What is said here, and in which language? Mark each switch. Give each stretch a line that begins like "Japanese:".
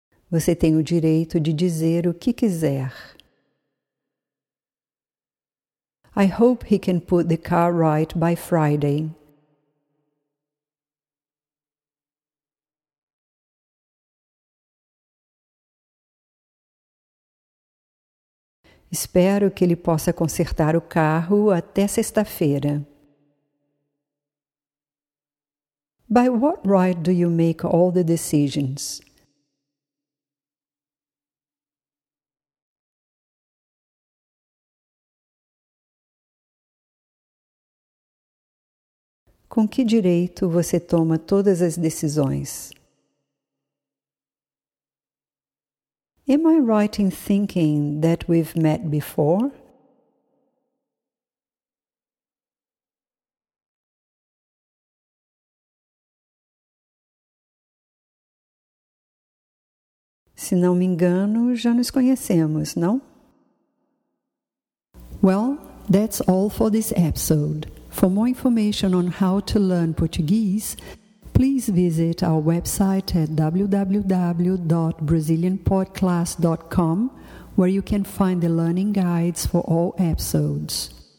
Portuguese: Você tem o direito de dizer o que quiser.
English: I hope he can put the car right by Friday.
Portuguese: Espero que ele possa consertar o carro até sexta-feira.
English: By what right do you make all the decisions?
Portuguese: Com que direito você toma todas as decisões?
English: Am I right in thinking that we've met before?
Portuguese: Se não me engano, já nos conhecemos, não?
English: Well, that's all for this episode. For more information on how to learn Portuguese, please visit our website at www.brazilianpodclass.com, where you can find the learning guides for all episodes.